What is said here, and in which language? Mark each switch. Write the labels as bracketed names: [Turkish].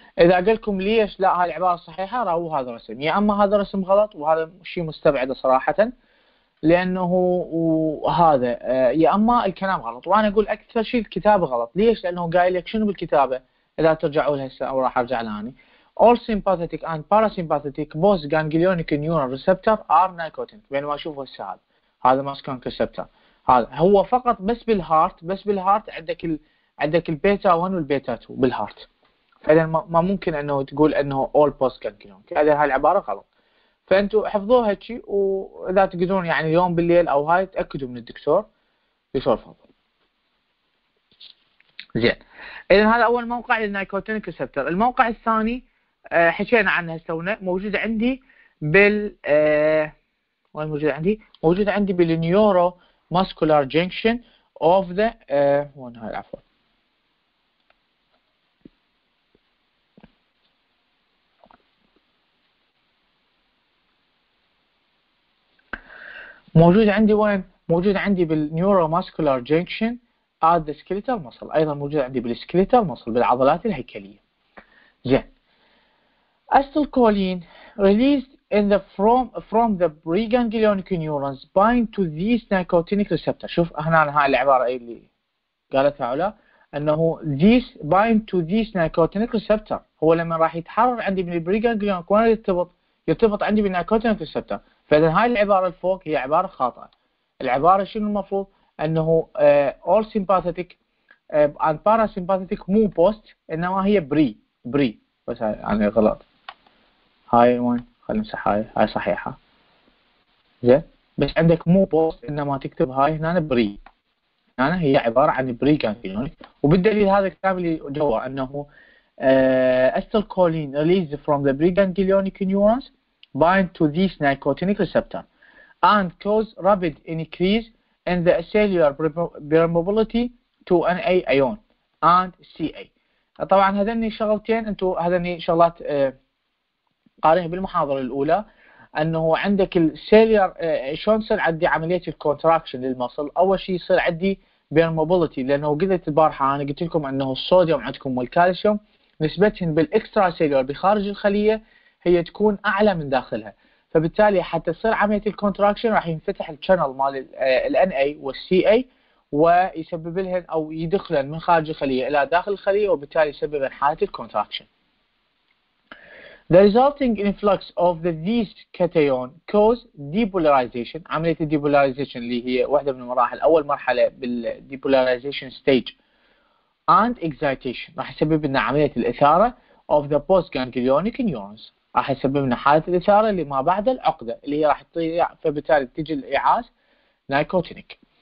[Arabic] إذا أقول لكم ليش لا هاي العبارة صحيحة رأوا هذا الرسم. يا أما هذا الرسم غلط وهذا شيء مستبعد صراحة لأنه وهذا يا أما الكلام غلط. وأنا أقول أكثر شيء الكتابة غلط. ليش؟ لأنه قايل لك شنو بالكتابة إذا ترجعوا له هسه أو راح أرجع لهاني. [English] All sympathetic and parasympathetic both ganglionic neural receptor are nicotinic. [Arabic] بينما أشوف هسه هذا ماسكونك ريسبتر هذا هو فقط بس بالهارت. بس بالهارت عندك البيتا 1 والبيتا 2 بالهارت. فاذا ما ممكن انه تقول انه اول بوست كانجليون. هذا هاي العباره غلط. فانتوا احفظوها هيك واذا تقدرون يعني اليوم بالليل او هاي تاكدوا من الدكتور يشوف الفضل. زين اذا هذا اول موقع للنيكوتينيك ريسبتر. الموقع الثاني حكينا عنه هسه موجود عندي بال وين موجود عندي بالنيورو ماسكولار جنكشن of the one half موجود عندي وين؟ موجود عندي بالنيورو ماسكولار جنكشن [English] at the skeletal muscle, [Arabic] أيضا موجود عندي بالسكيليتال مسل بالعضلات الهيكلية. [English] زين، acetylcholine released in the from the preganglionic neurons bind to these nicotinic receptors. [Arabic] شوف هنا هاي العبارة اللي قالتها علا، أنه [English] this bind to this nicotinic receptor، [Arabic] هو لما راح يتحرر عندي من البريغانجليونك وين يرتبط؟ يرتبط عندي بالنيكوتينيك ريسبتر. فإذا هاي العبارة الفوق هي عبارة خاطئة. العبارة شنو المفروض؟ أنه [English] all sympathetic and parasympathetic [Arabic] مو post، إنما هي بري بس يعني غلط. هاي وين؟ خلينا نمسح هاي، هاي صحيحة. زين؟ بس عندك مو post، إنما تكتب هاي هنا بري. أنا هي عبارة عن بريغانجليونك، وبالدليل هذا الكلام اللي جوا أنه [English] Acetylcholine released from the preganglionic neurons bind to this nicotinic receptor and cause rapid increase in the cellular permeability to Na ion and Ca. [Arabic] طبعا هذني شغلتين، أنتوا هذني شغلات قاريها بالمحاضرة الأولى، أنه عندك السيلير شلون يصير عندي عملية الكونتراكشن للمصل. أول شيء يصير عندي بيرموبيلتي، لأنه قلت البارحة أنا قلت لكم أنه الصوديوم عندكم والكالسيوم نسبتهم بالإكسترا سيلير بخارج الخلية هي تكون أعلى من داخلها، فبالتالي حتى تصير عملية الكونتراكشن راح ينفتح الشانل مال الـ NA والـ CA ويسبب لهم أو يدخلن من خارج الخلية إلى داخل الخلية، وبالتالي يسبب حالة الكونتراكشن. [English] The resulting influx of these cations cause depolarization. [Arabic] عملية depolarization اللي هي واحدة من المراحل، أول مرحلة بال [English] depolarization stage and excitation [Arabic] راح يسبب لنا عملية الإثارة [English] of the postganglionic neurons، [Arabic] راح يسبب لنا حالة الإثارة اللي ما بعد العقدة اللي هي راح تضيع، فبالتالي تجي الإعاز nicotinic.